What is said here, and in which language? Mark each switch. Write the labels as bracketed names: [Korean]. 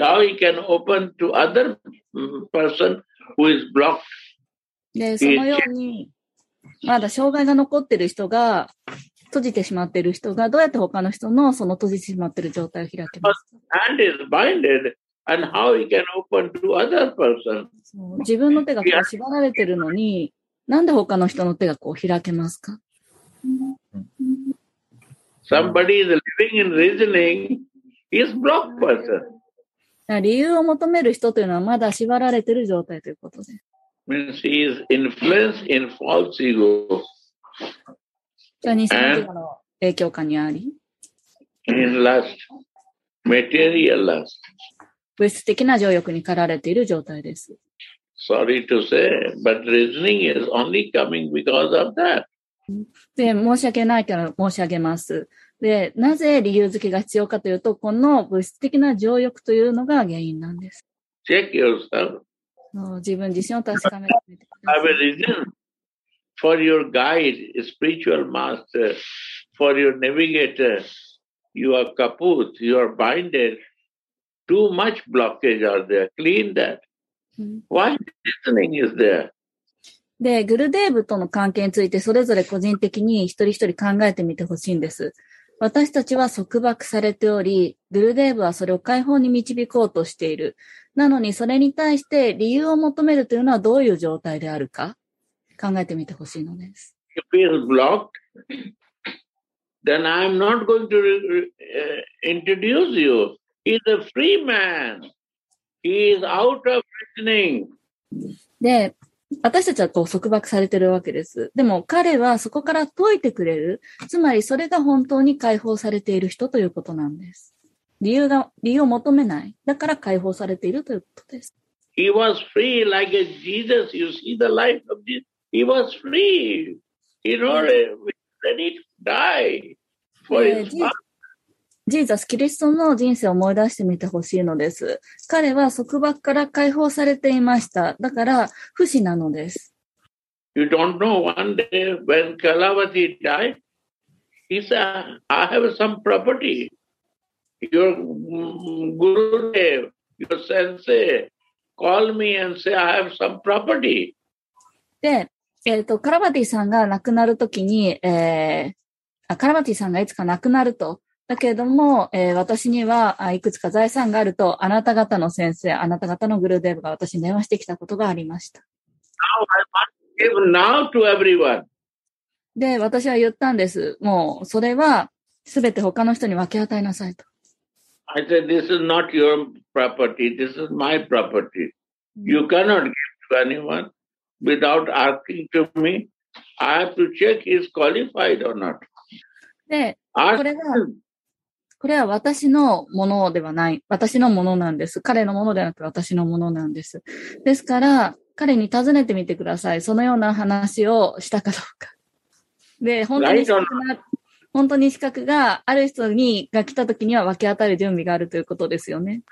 [English] How he can open to other person who is blocked? [Japanese] で、そのように、まだ障害が残ってる人が、閉じてしまってる人が、どうやって他の人のその閉じてしまってる状態を開けますか? [English] Hand is binded, and how he can open to other person? [Japanese] 自分の手がこう縛られてるのに、なんで他の人の手がこう開けますか? [English] Somebody is living in reasoning, is blocked person. [Japanese] 理由を求める人というのはまだ縛られている状態ということです [English] 。 Means he is influenced in false ego. [Japanese] じゃあ、二世紀の影響下にあり。 [English] In lust, material lust. [Japanese] 物質的な情欲に駆られている状態です。 [English] Sorry to say, but reasoning is only coming because of that. [Japanese] で、申し訳ないけど申し上げます。で、なぜ理由付けが必要かというと、この物質的な情欲というのが原因なんです。 [English] Check yourself. [Japanese] 自分自身を確かめてみてください。 [English] I have a reason for your guide, spiritual master, for your navigator. You are kaput, you are binded. Too much blockage are there. Clean that. Why listening is there? [Japanese] で、グルデーブとの関係について、それぞれ個人的に一人一人考えてみてほしいんです。私たちは束縛されており、グルデーブはそれを解放に導こうとしている。なのに、それに対して理由を求めるというのはどういう状態であるか、考えてみてほしいのです。 [English] If you feel blocked, then I'm not going to introduce you. He's a free man. He is out of reasoning. [Japanese] で、私たちはこう束縛されてるわけです。でも彼はそこから解いてくれる。つまりそれが本当に解放されている人ということなんです。理由を求めない。だから解放されているということです。 [English] He was free like a Jesus. You see the life of Jesus. He was free. He was ready to die for his father. [Japanese] ジーザス・キリストの人生を思い出してみてほしいのです。彼は束縛から解放されていました。だから、不死なのです。 [English] You don't know one day when Kalavati died, he said, I have some property. Your guru, your sensei, call me and say, I have some property. [Japanese] で、カラバティさんが亡くなるときに、カラバティさんがいつか亡くなると、だけれども、私にはいくつか財産があると、あなた方の先生、あなた方のグルデーブが私に電話してきたことがありました。 [English] Now I want to give now to everyone. [Japanese] で、私は言ったんです。もう、それは、すべて他の人に分け与えなさいと。 [English] I said, this is not your property, this is my property. You cannot give to anyone without asking to me. I have to check if he's qualified or not. [Japanese] で、これは私のものではない。私のものなんです。彼のものではなく私のものなんです。ですから、彼に尋ねてみてください。そのような話をしたかどうか。で、本当に資格が、本当に資格がある人にが来た時には分け与える準備があるということですよね。